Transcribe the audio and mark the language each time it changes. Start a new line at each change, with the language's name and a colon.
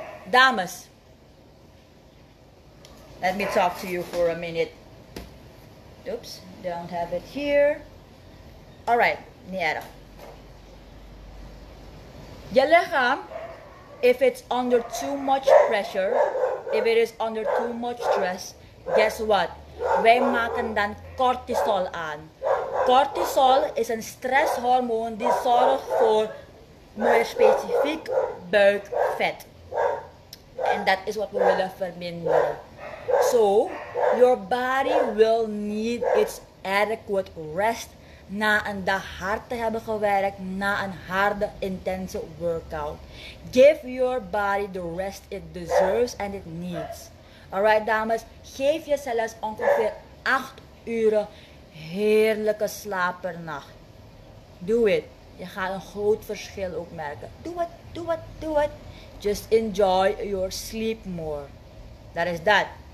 English: Dames, let me talk to you for a minute. Oops, don't have it here. Alright, Niera.
Dutch: Je lichaam,
English: if it's under too much pressure, if it is under too much stress, guess what?
Dutch: Wij maken dan cortisol aan. Cortisol is een stresshormoon die zorgt voor meer specifiek buikvet. En dat is wat we willen verminderen.
English: So, your body will need its adequate rest
Dutch: na een dag hard te hebben gewerkt, na een harde, intense workout.
English: Give your body the rest it deserves and it needs.
Dutch: Alright, dames, geef jezelf ongeveer 8 uren heerlijke slaap per nacht.
English: Do it.
Dutch: Je gaat een groot verschil ook merken.
English: Do it, do it, do it. Just enjoy your sleep more. That is that.